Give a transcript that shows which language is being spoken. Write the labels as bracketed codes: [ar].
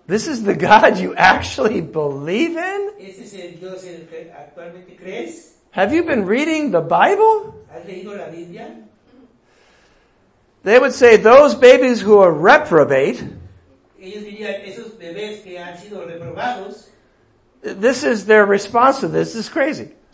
[en] This is the God you actually believe in? [es] Este es el Dios en el que actualmente crees? [en] Have you been reading the Bible? [es] ¿Has leído la Biblia? [en] They would say those babies who are reprobate, [es] ellos dirían, esos bebés que han sido reprobados, [en] this is their response to this. This is crazy.